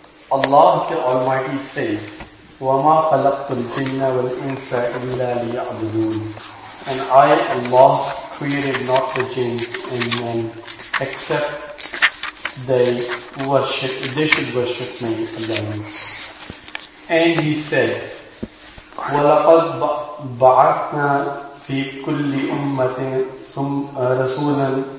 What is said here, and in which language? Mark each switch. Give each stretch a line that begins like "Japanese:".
English: Allah the Almighty says,
Arabic: وَمَا خَلَقْتُ الْجِنَّ وَالْإِنسَ إِلَّا لِيَعْبُدُونَ.
English: And I, Allah, created not the jinns and men except they should worship me alone. And he said,
Arabic: وَلَقَدْ بَعَثْنَا فِي كُلِّ أُمَّةٍ رَسُولًا